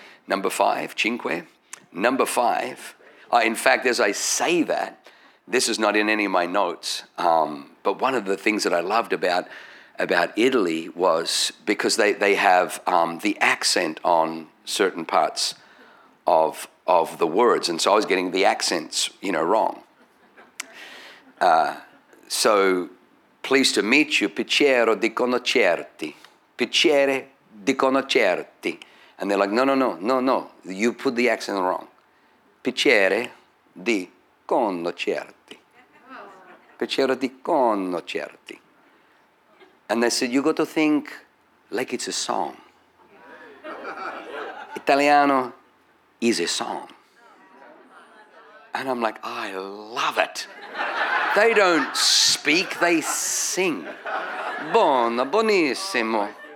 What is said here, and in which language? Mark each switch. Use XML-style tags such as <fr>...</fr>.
<en>Number five,</en> <it>cinque.</it> <en>Number five, in fact, as I say that, this is not in any of my notes, but one of the things that I loved about Italy was because they have the accent on certain parts of the words, and so I was getting the accents, you know, wrong. So pleased to meet you,</en> <it>piacere di conoscerti, piacere di conoscerti.</it> <en>And they're like, no, you put the accent wrong.</en> <it>Piacere di conoscerti, piacere di conoscerti.</it> <en>And they said, you got to think like it's a song. Italiano is a song. And I'm like, I love it. They don't speak, they sing.</en> <it>Buono, buonissimo.</it>